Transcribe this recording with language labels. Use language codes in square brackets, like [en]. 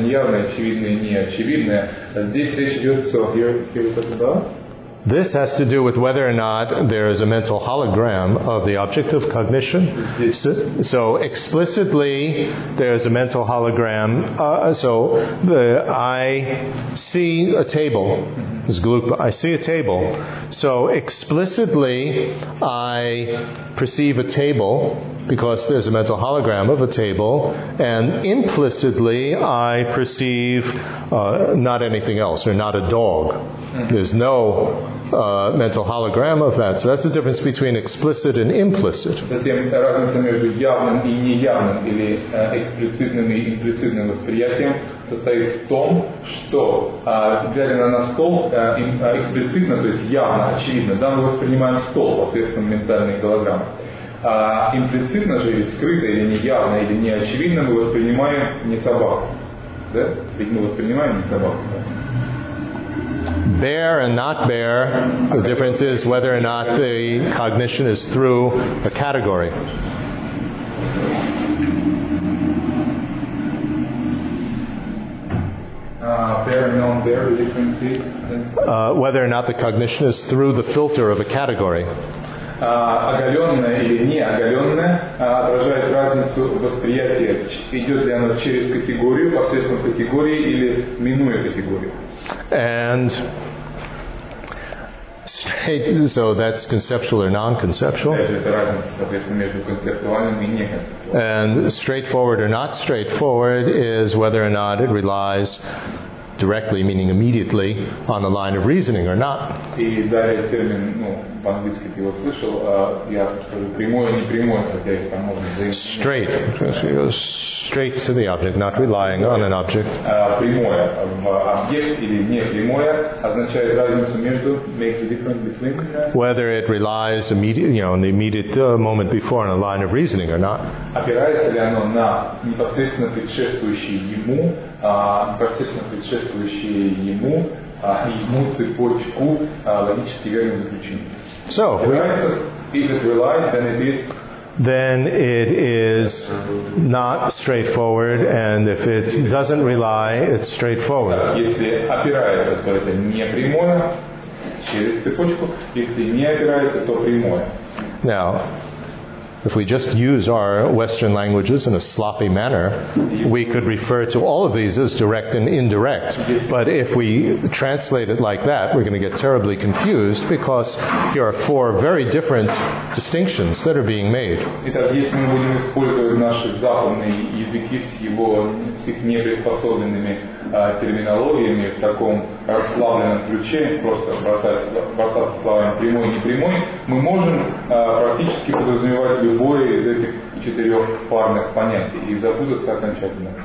[ru] неявное, очевидное, неочевидное. Здесь речь идет, [en] so here we talk about. This has to do with whether or not there is a mental hologram of the object of cognition. So explicitly, there is a mental hologram. I see a table. This is glupa. I see a table. So explicitly, I perceive a table because there's a mental hologram of a table. And implicitly, I perceive not anything else, or not a dog. There's no mental hologram of that. So that's the difference between explicit and implicit. [ru] Затем разница между явным и неявным или эксплицитным и имплицитным восприятием состоит в том, что глядя на стол эксплицитно, то есть явно, очевидно, да, мы воспринимаем стол посредством ментальной голограммы. Имплицитно же или скрыто, или неявно, или неочевидно мы воспринимаем не собаку. Да? Ведь мы воспринимаем не собаку. Да? [en] Bare and not bare, the difference is whether or not the cognition is through a category. Bare and non bare, the difference is? Whether or not the cognition is through the filter of a category. [ru] Оголенное или неоголенное отражает разницу восприятия. Идет ли оно через категорию, посредством категории или минуя категорию. [en] And straight, so that's conceptual or non-conceptual. And straightforward or not straightforward is whether or not it relies directly, meaning immediately, on the line of reasoning or not. [ru] И далее термин, ну, по-английски ты его слышал, я скажу прямое, не прямое, хотя их там можно взаимодействовать. [en] Straight, so you go straight to the object, not relying on an object. [ru] Прямое в объект или не прямое означает разницу между, [en] makes the difference between. Whether it relies immediately, you know, on the immediate moment before on a line of reasoning or not. [ru] Опирается ли оно на непосредственно предшествующий ему, непосредственно предшествующие ему, ему цепочку логических верных заключений. [en] So, if it relies, then it is not straightforward, and if it doesn't rely, it's straightforward. [ru] Если опирается, то это не прямое, через цепочку. Если не опирается, то прямое. [en] Now, if we just use our Western languages in a sloppy manner, we could refer to all of these as direct and indirect. But if we translate it like that, we're going to get terribly confused because here are four very different distinctions that are being made. [ru] Итак, если мы будем использовать наши западные языки с относиться к неприспособленными терминологиями в таком расслабленном ключе, просто бросаться словами прямой и непрямой, мы можем практически подразумевать любое из этих четырех парных понятий и запутаться окончательно.